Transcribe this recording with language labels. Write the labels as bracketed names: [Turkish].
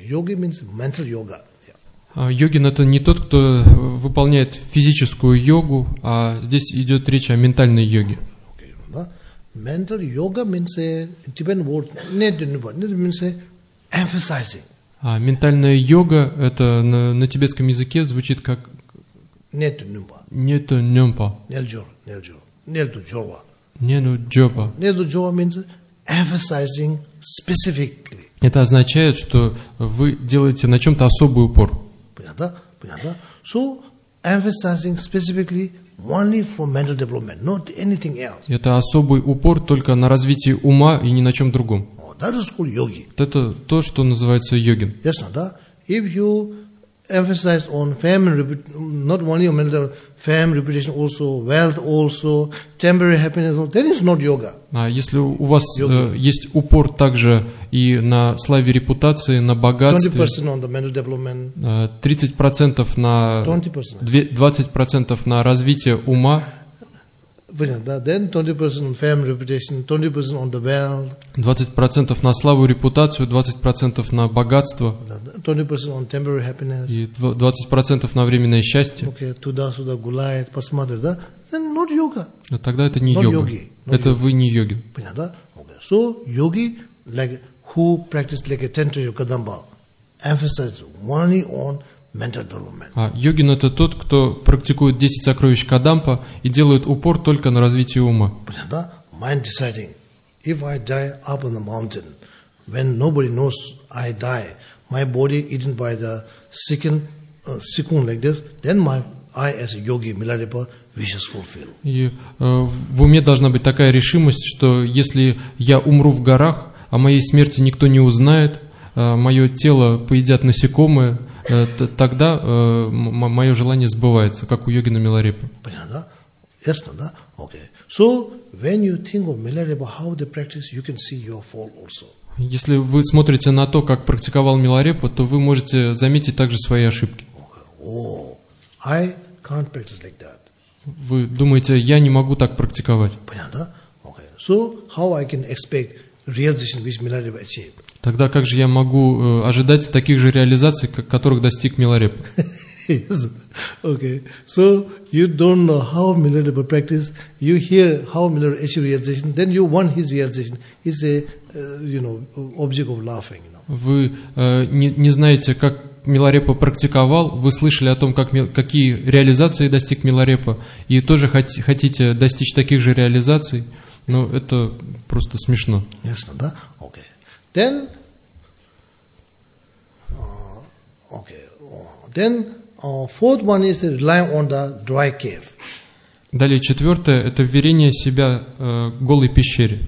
[English] Yogi means mental yoga. [Russian] Йогин – это не тот, кто выполняет физическую йогу, а здесь идет речь о ментальной йоге. [English] Mental yoga means a Tibetan word. Not means a emphasizing. [Russian] А ментальная йога это на тибетском языке звучит как нету нюмпа. [English] Нельду джоба. Нельду джоба means emphasizing specifically. [Russian] Это означает, что вы делаете на чем-то особый упор. [English] Понятно? So emphasizing specifically. Only for mental development, not anything else. [Russian] Это особый упор только на развитии ума и ни на чем другом. [English] That is called yogi. [Russian] Это то, что называется йогин. Ясно, да? [English] If you emphasize on family, not only on mental family, reputation also, wealth also, temporary happiness, then it's not yoga. [Russian] А если у вас есть упор также и на славе, репутации, на богатстве, [English] 20% on the mental development, [Russian] 30% на 20%. 20% на развитие ума, [English] then 20% on family, reputation, 20% on the wealth, [Russian] 20% на славу, репутацию, 20% на богатство, [English] 20% on temporary happiness, [Russian] и 20% на временное счастье. Okay, туда-сюда гуляет, посмотрит, да? [English] Then not yoga. [Russian] А тогда это не йога. Это вы не йогин. Понятно, да? [English] Okay. So, yogi, like, who practiced like a Tantra Yoga Kadamba, emphasizes only on mental development. [Russian] А йогин это тот, кто практикует 10 сокровищ Кадампа и делает упор только на развитие ума. [English] Понятно, да? Mind deciding. If I die up on the mountain, when nobody knows I die, my body eaten by the second Sikun like this, then my I as a yogi Milarepa wishes fulfill. [Russian] И в уме должна быть такая решимость, что если я умру в горах, о моей смерти никто не узнает, мое тело поедят насекомые, тогда мое желание сбывается, как у йогина Миларепы. Понятно, да? Ясно, да? Окей. [English] So, when you think of Milarepa, how they practice, you can see your fall also. [Russian] Если вы смотрите на то, как практиковал Миларепа, то вы можете заметить также свои ошибки. [English] Okay. Oh, I can't practice like that. [Russian] Вы думаете, я не могу так практиковать. Понятно, да? Окей. [English] So, how I can expect realization which Milarepa achieved? [Russian] Тогда как же я могу ожидать таких же реализаций, которых достиг Миларепа? [English] Okay. So you don't know how Milarepa practice. You hear how Milarepa achieve realization, then you want his realization. He's a, you know, object of laughing. [Russian] Вы не знаете, как Миларепа практиковал. Вы слышали о том, какие реализации достиг Миларепа, и тоже хотите достичь таких же реализаций? Но это просто смешно. Ясно, да? [English] Okay. Then, okay. Then fourth one is relying on the dry cave. [Russian] Далее четвертое это вверение себя голой пещере.